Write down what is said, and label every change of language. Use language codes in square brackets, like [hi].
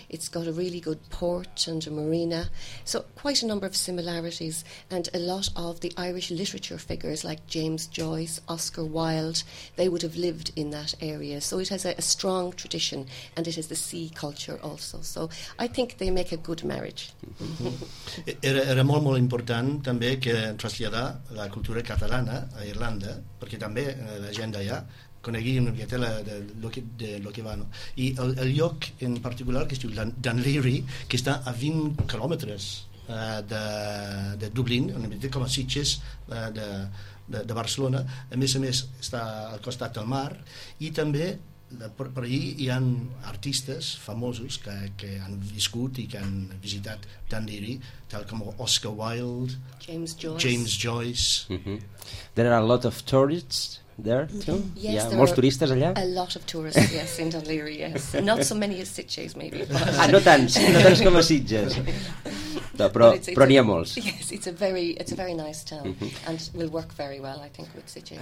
[en] It's got a really good port and a marina. So quite a number of similarities. And a lot of the Irish literature figures like James Joyce, Oscar Wilde, they would have lived in that area. So it has a strong tradition, and it has the sea culture also. So I think they make a good marriage. Mm-hmm. [ca] era molt, molt important també que traslladar la cultura catalana a Irlanda, perquè també la gent d'allà conegui una miqueta de lo que van. I el lloc en particular, que es diu Dunleary, que està a 20 quilòmetres de Dublín, una miqueta com a Sitges de Barcelona, a més està al costat del mar, i també per allà hi ha artistes famosos que han viscut i que han visitat Dunleary, tal com Oscar Wilde, James Joyce. Mm-hmm. [en] There are a lot of tourists there too? Yes, yeah, [ca] molts turistes allà? [en] A lot of tourists, yes, in Dunleary, yes. Not so many as Sitges, maybe. [ca] No tants com a Sitges. Però n'hi ha molts. [en] Yes, it's a very nice town, mm-hmm. and will work very well, I think, with Sitges.